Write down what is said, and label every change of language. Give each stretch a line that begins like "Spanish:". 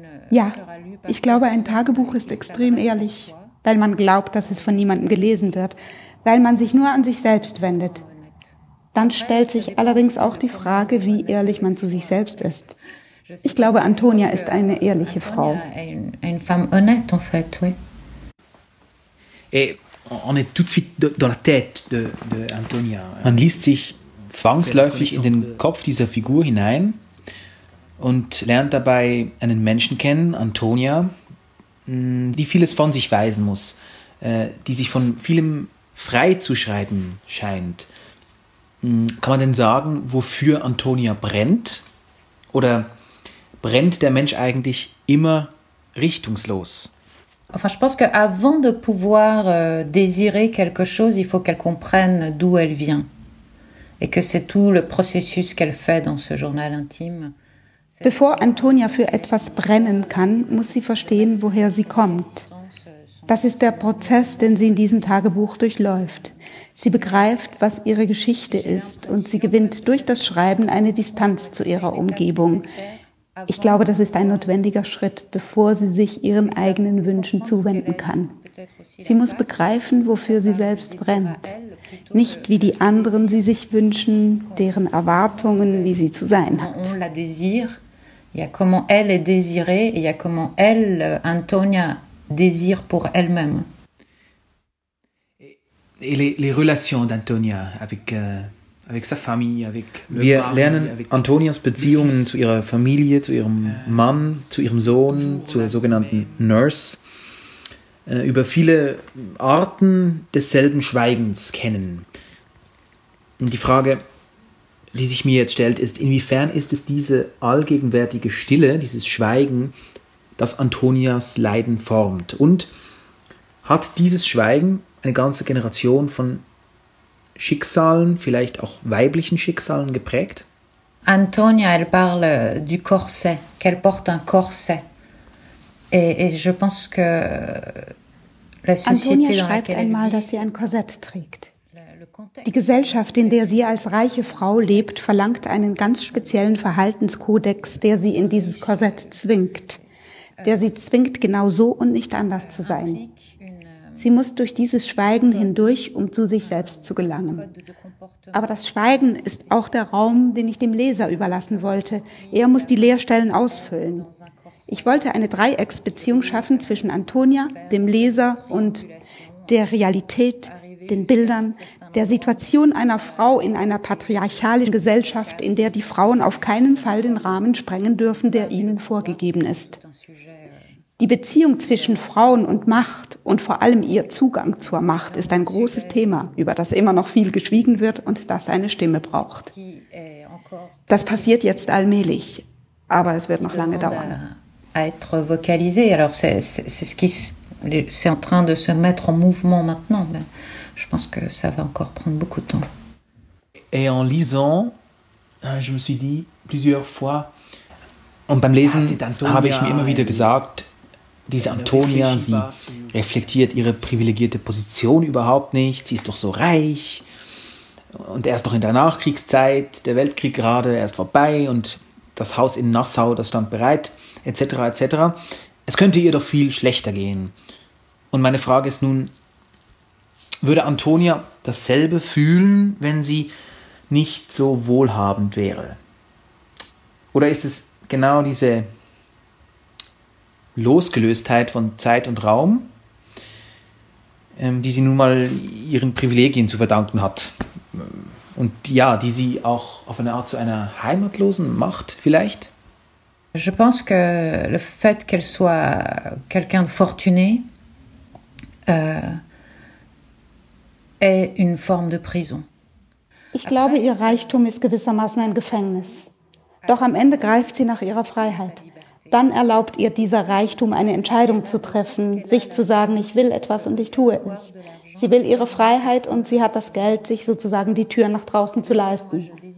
German: Ja, ich glaube, ein Tagebuch ist extrem ehrlich, weil man glaubt, dass es von niemandem gelesen wird, weil man sich nur an sich selbst wendet. Dann stellt sich allerdings auch die Frage, wie ehrlich man zu sich selbst ist. Ich glaube, Antonia ist eine ehrliche Frau.
French: Eine femme honnête, en fait, oui. Et on est tout de suite dans la tête de Antonia.
German: Man liest sich zwangsläufig in den Kopf dieser Figur hinein. Und lernt dabei einen Menschen kennen, Antonia, die vieles von sich weisen muss, die sich von vielem frei zu schreiben scheint. Kann man denn sagen, wofür Antonia brennt? Oder brennt der Mensch eigentlich immer richtungslos?
French: Enfin, je pense que avant de pouvoir désirer quelque chose, il faut qu'elle comprenne d'où elle vient. Et que c'est tout le processus qu'elle fait dans ce journal intime.
German: Bevor Antonia für etwas brennen kann, muss sie verstehen, woher sie kommt. Das ist der Prozess, den sie in diesem Tagebuch durchläuft. Sie begreift, was ihre Geschichte ist und sie gewinnt durch das Schreiben eine Distanz zu ihrer Umgebung. Ich glaube, das ist ein notwendiger Schritt, bevor sie sich ihren eigenen Wünschen zuwenden kann. Sie muss begreifen, wofür sie selbst brennt. Nicht wie die anderen sie sich wünschen, deren Erwartungen, wie sie zu sein hat.
French: On la désire, il y a comment elle est désirée, et il y a comment elle, Antonia, désire pour elle-même. Et les relations d'Antonia avec, avec sa famille, avec
German: le Wir Mann, lernen avec Antonias Beziehungen zu ihrer Familie, zu ihrem Mann, zu ihrem Sohn, zur sogenannten Nurse. Über viele Arten desselben Schweigens kennen. Und die Frage, die sich mir jetzt stellt, ist, inwiefern ist es diese allgegenwärtige Stille, dieses Schweigen, das Antonias Leiden formt? Und hat dieses Schweigen eine ganze Generation von Schicksalen, vielleicht auch weiblichen Schicksalen, geprägt?
French: Antonia, elle parle du corset, qu'elle porte un corset. Et je pense que
German: la Antonia schreibt einmal, dass sie ein Korsett trägt. Die Gesellschaft, in der sie als reiche Frau lebt, verlangt einen ganz speziellen Verhaltenskodex, der sie in dieses Korsett zwingt. Der sie zwingt, genau so und nicht anders zu sein. Sie muss durch dieses Schweigen hindurch, um zu sich selbst zu gelangen. Aber das Schweigen ist auch der Raum, den ich dem Leser überlassen wollte. Er muss die Leerstellen ausfüllen. Ich wollte eine Dreiecksbeziehung schaffen zwischen Antonia, dem Leser und der Realität, den Bildern, der Situation einer Frau in einer patriarchalen Gesellschaft, in der die Frauen auf keinen Fall den Rahmen sprengen dürfen, der ihnen vorgegeben ist. Die Beziehung zwischen Frauen und Macht und vor allem ihr Zugang zur Macht ist ein großes Thema, über das immer noch viel geschwiegen wird und das eine Stimme braucht. Das passiert jetzt allmählich, aber es wird noch lange dauern.
French: À être vocalisé. Alors c'est ce qui c'est en train de se mettre en mouvement maintenant, mais je pense que ça va encore prendre beaucoup de temps. Et en lisant, je me suis dit plusieurs fois,
German: und beim Lesen habe ich mir immer wieder gesagt, diese Antonia, sie reflektiert ihre privilegierte Position überhaupt nicht, sie ist doch so reich und erst noch in der Nachkriegszeit, der Weltkrieg gerade erst vorbei und das Haus in Nassau, das stand bereit, etc., etc. Es könnte ihr doch viel schlechter gehen. Und meine Frage ist nun, würde Antonia dasselbe fühlen, wenn sie nicht so wohlhabend wäre? Oder ist es genau diese Losgelöstheit von Zeit und Raum, die sie nun mal ihren Privilegien zu verdanken hat und ja, die sie auch auf eine Art zu einer Heimatlosen macht vielleicht?
French: Je pense que le fait qu'elle soit quelqu'un de fortuné est une forme de prison.
German: Ich glaube, ihr Reichtum ist gewissermaßen ein Gefängnis. Doch am Ende greift sie nach ihrer Freiheit. Dann erlaubt ihr dieser Reichtum, eine Entscheidung zu treffen, sich zu sagen, ich will etwas und ich tue es. Sie will ihre Freiheit und sie hat das Geld, sich sozusagen die Tür nach draußen zu leisten.